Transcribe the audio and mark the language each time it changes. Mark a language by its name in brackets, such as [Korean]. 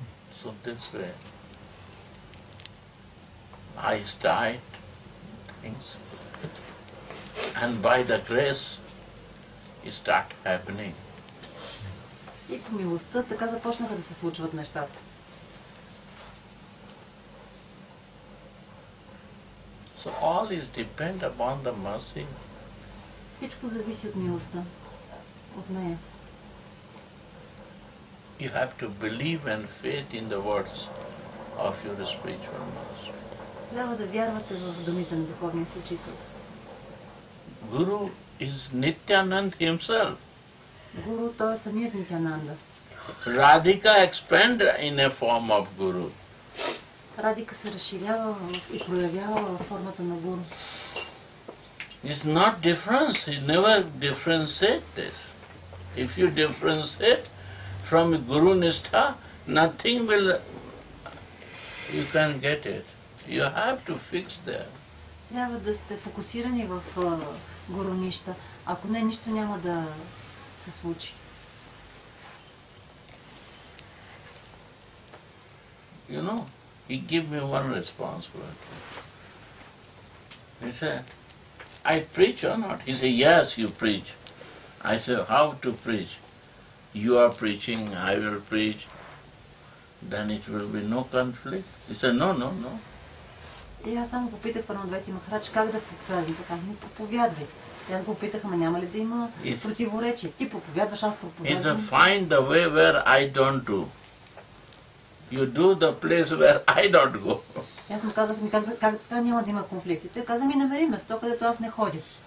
[English] So this way, I start things, and by the grace, it start happening. [Bulgarian] И по милостта така започнаха да се случват нещата. [English] So all is depend upon the mercy. [Bulgarian] Всичко зависи от милостта, от нея. [English] You have to believe and faith in the words of your spiritual master. [Bulgarian] Трябва да вярвате в думите на духовния си учител. [English] Guru is Nityanand himself. [Bulgarian] Guru, той е самият Нитянанда. [English] Radhika expand in a form of Guru. [Bulgarian] Radhika се разширява и проявява в формата на Guru. [English] It's not difference. You never differentiate this. If you differentiate from Guru Nishtha, nothing will... You can get it. You have to fix there. [Bulgarian] Трябва да сте фокусирани в Guru Nishtha. Ако не, нищо няма да се случи. [English] You know, he gave me one responsibility. He said, I preach or not? He said, yes, you preach. I said, how to preach? You are preaching, I will preach, then it will be no conflict. He said, no, no, no. [Bulgarian] И аз само попитах Парамадвайти Махарадж как да проповядвам. Така, ми проповядвай. И аз го попитах, ама няма ли да има противоречие. Ти проповядваш, аз проповядвам. [English] He said, find the way where I don't do. You do the place where I don't go. [Bulgarian] И аз му казах, ми как така няма да има конфликт. И той каза, ми намери место, където аз не ходих.